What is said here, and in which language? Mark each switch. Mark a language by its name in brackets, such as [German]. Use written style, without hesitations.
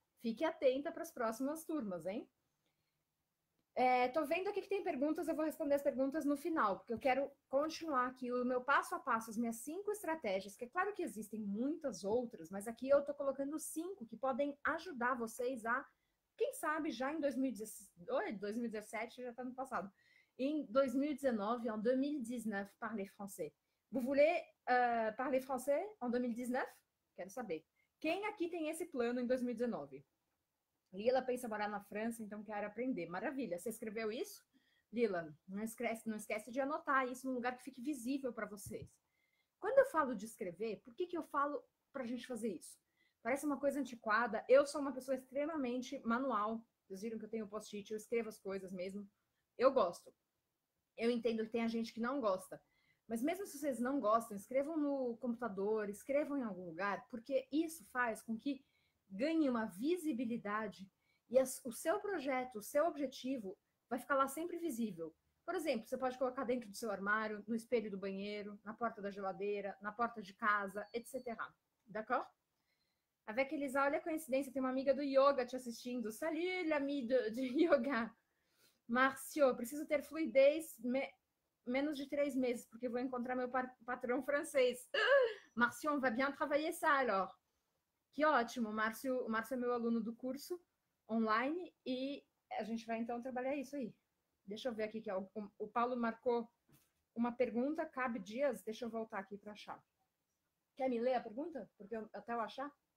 [Portuguese] Fique atenta para as próximas turmas, hein? Tô vendo aqui que tem perguntas, eu vou responder as perguntas no final, porque eu quero continuar aqui o meu passo a passo, as minhas 5 estratégias, que é claro que existem muitas outras, mas aqui eu tô colocando 5 que podem ajudar vocês a, quem sabe, já em 2017, já tá no passado, em 2019, [French] parler français. Vous voulez parler français en 2019? [Portuguese] Quero saber. Quem aqui tem esse plano em 2019? Lila pensa em morar na França, então quer aprender. Maravilha. Você escreveu isso? Lila, não esquece de anotar isso num lugar que fique visível para vocês. Quando eu falo de escrever, por que eu falo para a gente fazer isso? Parece uma coisa antiquada. Eu sou uma pessoa extremamente manual. Vocês viram que eu tenho post-it, eu escrevo as coisas mesmo. Eu gosto. Eu entendo que tem a gente que não gosta. Mas mesmo se vocês não gostam, escrevam no computador, escrevam em algum lugar, porque isso faz com que ganhe uma visibilidade e o seu projeto, o seu objetivo vai ficar lá sempre visível. Por exemplo, você pode colocar dentro do seu armário, no espelho do banheiro, na porta da geladeira, na porta de casa, etc. D'accord? [French] Avec Elisa, [Portuguese] olha a coincidência, tem uma amiga do yoga te assistindo. [French] Salut, l'ami de yoga. [Portuguese] Marcio, preciso ter fluidez menos de 3 meses, porque vou encontrar meu patrão francês. [French] Marcio, on va bien travailler ça alors. [Portuguese] Que ótimo, o Márcio é meu aluno do curso online e a gente vai então trabalhar isso aí. Deixa eu ver aqui, que é o Paulo marcou uma pergunta, cabe dias, deixa eu voltar aqui para achar. Quer me ler a pergunta? Porque até eu achar?